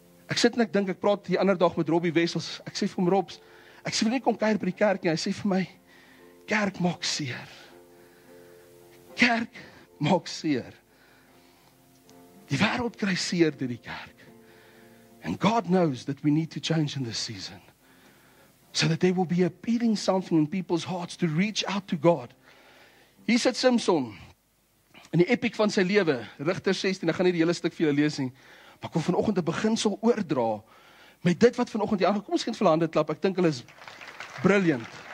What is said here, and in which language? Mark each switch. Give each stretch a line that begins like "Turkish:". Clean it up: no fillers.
Afrikaans: Ek sit en ek dink, ek praat die ander dag met Robbie Wessels. Ek sê vir hom, Robs, ek sê wil nie kom kuier by die kerk nie. Hy sê vir my, kerk maak seer. Kerk maak seer. Die wêreld kry seer deur die kerk.
English: And God knows that we need to change in this season. So that there will be appealing something in people's hearts to reach out to God.
Afrikaans: Hier sit Samson in die epiek van sy lewe, Rigters 16. Ek gaan nie die hele stuk vir julle lees nie. Maar ek wil vanoggend 'n beginsel oordra met dit wat vanoggend hier aangekom. Kom ons geen vir hande klap. Ek dink hulle is brilliant.